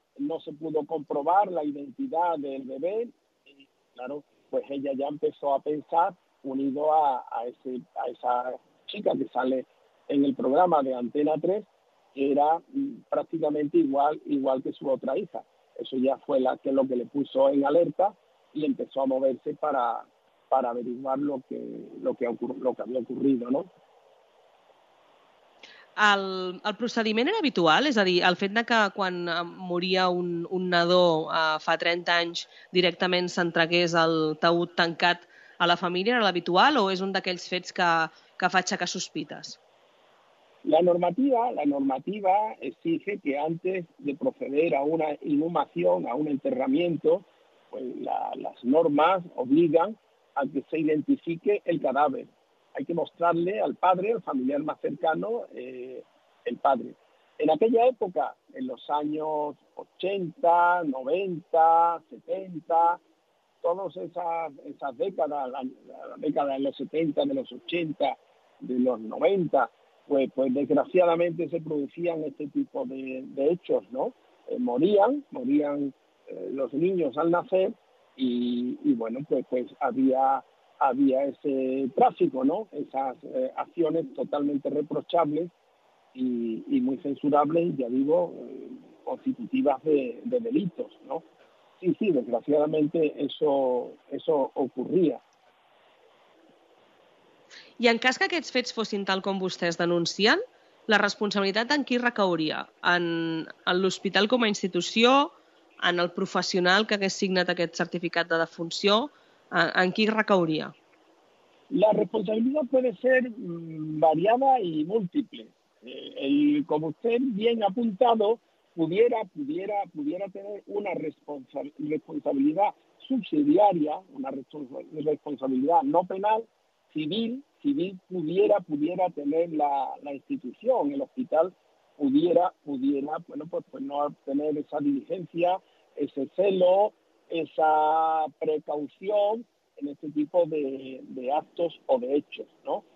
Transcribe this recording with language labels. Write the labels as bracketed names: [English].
[Spanish] No se pudo comprobar la identidad del bebé, y claro, pues ella ya empezó a pensar, unido a esa chica que sale en el programa de Antena 3, que era prácticamente igual que su otra hija. Eso ya fue lo que le puso en alerta y empezó a moverse para averiguar lo que había ocurrido, ¿no? [Catalan] El procediment era habitual? És a dir, el fet de que quan moria un nadó fa 30 anys directament s'entregués el taüt tancat a la família, era l'habitual o és un d'aquells fets que fa aixecar sospites? [Spanish] La normativa exige que antes de proceder a una inhumación, a un enterramiento, pues las normas obligan a que se identifique el cadáver. Hay que mostrarle al padre, al familiar más cercano, el padre. En aquella época, en los años 80, 90, 70, todas esas décadas, la década de los 70, de los 80, de los 90, pues desgraciadamente se producían este tipo de hechos, ¿no? Morían los niños al nacer. Y bueno, pues había ese tráfico, ¿no? Esas acciones totalmente reprochables y muy censurables, ya digo, constitutivas de delitos, ¿no? Sí, desgraciadamente eso ocurría. [Catalan] I en cas que aquests fets fossin tal com vostès denuncien, la responsabilitat en qui recauria? En l'hospital com a institució, en el professional que hagués signat aquest certificat de defunció, en qui recauria? [Spanish] La responsabilidad puede ser variada y múltiple. Como usted bien ha apuntado, pudiera tener una responsabilidad subsidiaria, una responsabilidad no penal, civil pudiera tener la institución, el hospital pudiera no tener esa diligencia, ese celo, esa precaución en este tipo de actos o de hechos, ¿no?